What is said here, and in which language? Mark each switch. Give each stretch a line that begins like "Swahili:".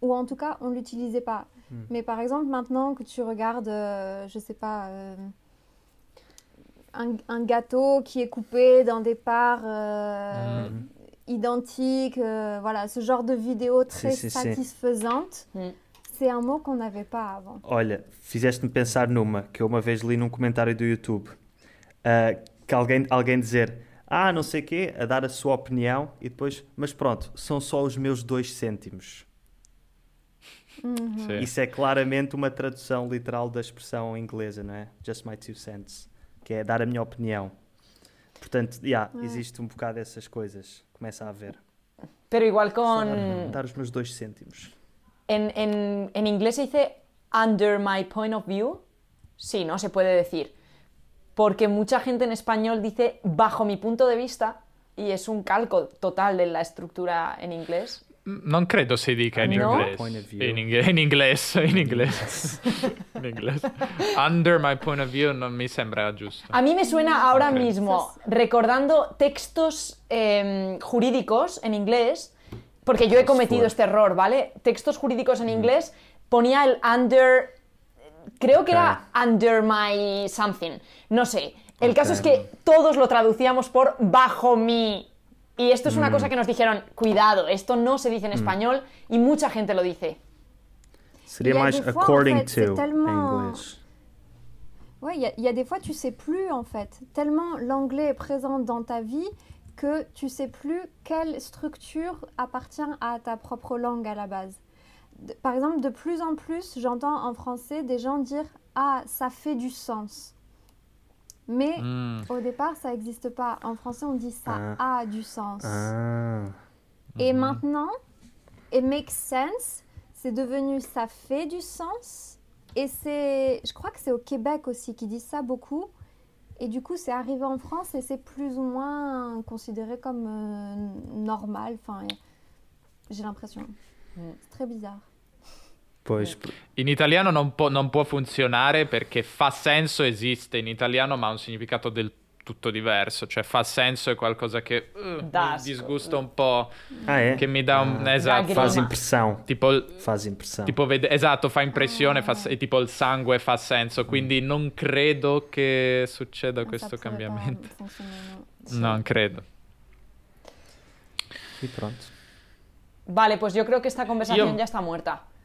French: Ou en tout cas, on ne l'utilisait pas. Mm. Mais par exemple, maintenant que tu regardes, je ne sais pas, un gâteau qui est coupé dans des parts identiques, voilà, ce genre de vidéo très satisfaisante... Mm. C'est un mot qu'on n'avait pas avant.
Portuguese: Olha, fizeste-me pensar numa que eu uma vez li num comentário do YouTube que alguém dizer ah, não sei o quê, a dar a sua opinião e depois, mas pronto, são só os meus 2 cêntimos. Uhum. Isso é claramente uma tradução literal da expressão inglesa, não é?
English: Just my 2 cents.
Portuguese: Que é dar a minha opinião. Portanto, já, existe um bocado dessas coisas. Começa a haver.
Spanish: Pero igual con...
Portuguese: Dar os meus 2 cêntimos.
Spanish: En inglés se dice
English: under my point of view,
Spanish: sí, ¿no? Se puede decir, porque mucha gente en español dice bajo mi punto de vista y es un calco total de la estructura en inglés. No creo que se diga en inglés. En inglés.
English: Under my point of view
Spanish: no me sembra justo. A mí me suena ahora mismo, recordando textos jurídicos en inglés... Porque yo he cometido este error, ¿vale? Textos jurídicos en inglés ponía el under... Creo que era
English: under my something.
Spanish: No sé. El caso es que todos lo traducíamos por bajo mi. Y esto es una cosa que nos dijeron, cuidado, esto no se dice en español y mucha gente lo dice. Sería más
English: according to
Spanish: inglés.
French: Ouais, y a des fois tu sais plus, en fait. Tellement l'anglais est présent dans ta vie... que tu sais plus quelle structure appartient à ta propre langue à la base. Par exemple, de plus en plus, j'entends en français des gens dire « Ah, ça fait du sens ». Mais au départ, ça n'existe pas. En français, on dit « ça a du sens ». Et maintenant, «
English: it makes sense
French: », c'est devenu « ça fait du sens ». Et c'est, je crois que c'est au Québec aussi qui disent ça beaucoup. Et du coup, c'est arrivé en France et c'est plus ou moins considéré comme normal. Enfin, j'ai l'impression. C'est très bizarre.
Portuguese: Pois.
Italian: In italiano non può funzionare perché fa senso esiste in italiano, ma ha un significato del tutto diverso. Cioè, fa senso è qualcosa che mi disgusta un po', che mi dà fa impressione. Tipo fa impressione, tipo il sangue fa senso. Quindi non credo che succeda questo cambiamento. Non credo.
Portuguese: E pronto.
Spanish: Vale, pues yo creo que esta conversación ya está muerta.